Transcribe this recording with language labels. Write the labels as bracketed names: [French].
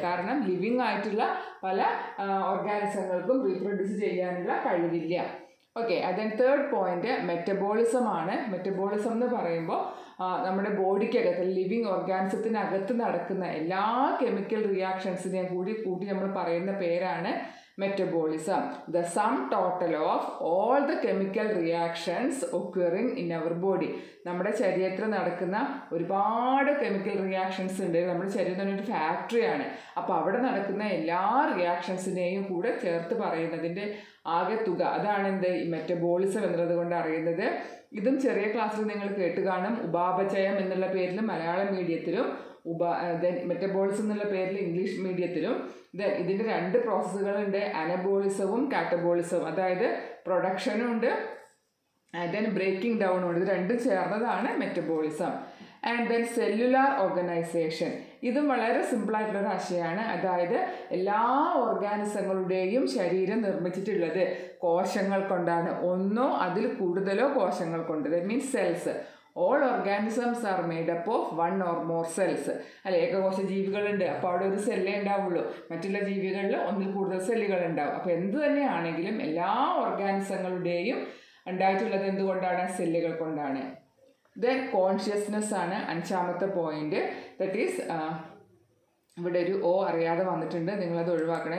[Malayalam] കാരണം ലിവിങ് ആയിട്ടുള്ള പല ഓർഗാനിസങ്ങൾക്കും റീപ്രൊഡ്യൂസ് ചെയ്യാനുള്ള കഴിവില്ല. ഓക്കെ, അത് ദെൻ തേർഡ് പോയിൻ്റ് മെറ്റബോളിസം ആണ്. മെറ്റബോളിസം എന്ന് പറയുമ്പോൾ നമ്മുടെ ബോഡിക്കകത്ത് ലിവിങ് ഓർഗാനിസത്തിനകത്ത് നടക്കുന്ന എല്ലാ കെമിക്കൽ റിയാക്ഷൻസിനെയും കൂടി കൂട്ടി നമ്മൾ പറയുന്ന പേരാണ് [English] Metabolism, the sum total of all the chemical reactions occurring in our body. [Malayalam] നമ്മുടെ ശരീരത്തിൽ നടക്കുന്ന ഒരുപാട് കെമിക്കൽ റിയാക്ഷൻസ് ഉണ്ട്. നമ്മുടെ ശരീരം ഒരു ഫാക്ടറിയാണ്. അപ്പോൾ അവിടെ നടക്കുന്ന എല്ലാ റിയാക്ഷൻസിനെയും കൂടെ ചേർത്ത് പറയുന്നതിൻ്റെ ആകെ തുക, അതാണ് എന്ത് ഈ മെറ്റബോളിസം എന്നുള്ളത് കൊണ്ട് അറിയുന്നത്. ഇതും ചെറിയ ക്ലാസ്സിൽ നിങ്ങൾ കേട്ട് കാണും. ഉപാപചയം എന്നുള്ള പേരിലും മലയാളം മീഡിയത്തിലും മെറ്റബോളിസം എന്നുള്ള പേരിൽ ഇംഗ്ലീഷ് മീഡിയത്തിലും ഇതിൻ്റെ രണ്ട് പ്രോസസ്സുകളുണ്ട്, അനബോളിസവും കാറ്റബോളിസവും. അതായത് പ്രൊഡക്ഷനും ഉണ്ട്, ദെൻ ബ്രേക്കിംഗ് ഡൗണും ഉണ്ട്. ഇത് രണ്ടും ചേർന്നതാണ് metabolism. And then cellular organisation, ഇതും വളരെ സിമ്പിളായിട്ടുള്ളൊരു ആശയമാണ്. അതായത് എല്ലാ ഓർഗാനിസങ്ങളുടെയും ശരീരം നിർമ്മിച്ചിട്ടുള്ളത് കോശങ്ങൾ കൊണ്ടാണ്, ഒന്നോ അതിൽ കൂടുതലോ കോശങ്ങൾ കൊണ്ട്. [English] That means cells. All organisms are made up of one or more cells. [Malayalam] അല്ലെ, ഏകകോശ ജീവികളുണ്ട്, അപ്പോൾ അവിടെ ഒരു സെല്ലേ ഉണ്ടാവുള്ളൂ. മറ്റുള്ള ജീവികളിൽ ഒന്നിൽ കൂടുതൽ സെല്ലുകൾ ഉണ്ടാവും. അപ്പോൾ എന്ത് തന്നെയാണെങ്കിലും എല്ലാ ഓർഗാനിസങ്ങളുടെയും ഉണ്ടായിട്ടുള്ളത് എന്തുകൊണ്ടാണ്? സെല്ലുകൾ കൊണ്ടാണ്. ദെൻ കോൺഷ്യസ്നെസ് ആണ് അഞ്ചാമത്തെ പോയിന്റ്. [English] that is, [Malayalam] ഇവിടെ ഒരു ഓ അറിയാതെ വന്നിട്ടുണ്ട്, നിങ്ങളത് ഒഴിവാക്കണം.